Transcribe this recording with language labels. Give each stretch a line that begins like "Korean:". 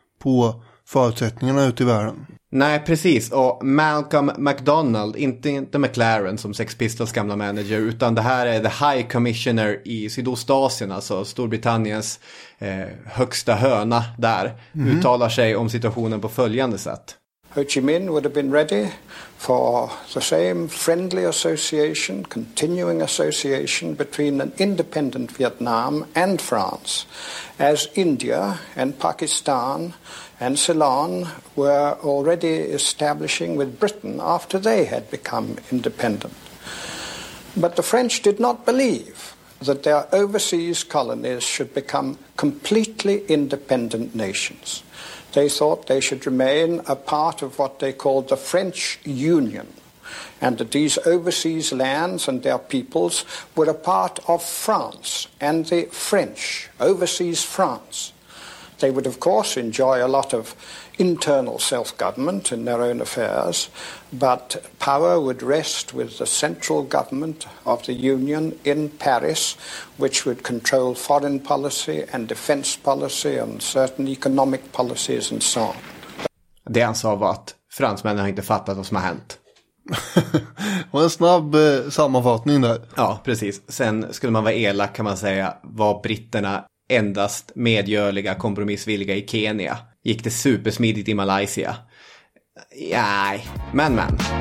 Swedish: På förutsättningarna ute i världen. Nej, precis. Och Malcolm McDonald, inte McLaren som Sex Pistols gamla manager, utan det här är The High Commissioner i Sydostasien, alltså Storbritanniens högsta höna där, uttalar sig om situationen på följande sätt.
English: Ho Chi Minh would have been ready for the same friendly association, continuing association between an independent Vietnam and France as India and Pakistan and Ceylon were already establishing with Britain after they had become independent. But the French did not believe that their overseas colonies should become completely independent nations. They thought they should remain a part of what they called the French Union, and that these overseas lands and their peoples were a part of France and the French, overseas France. They would, of course, enjoy a lot of internal self-government in their own affairs, but power would rest with the central government of the Union in Paris, which would control foreign policy and defense policy and certain economic policies and so on.
Swedish: Det han sa var att fransmännen har inte fattat vad som har hänt. Och en snabb sammanfattning där. Ja, precis. Sen skulle man vara elak kan man säga, vad britterna endast medgörliga, kompromissvilliga i Kenya. Gick det supersmidigt i Malaysia? Nej, men. Mm.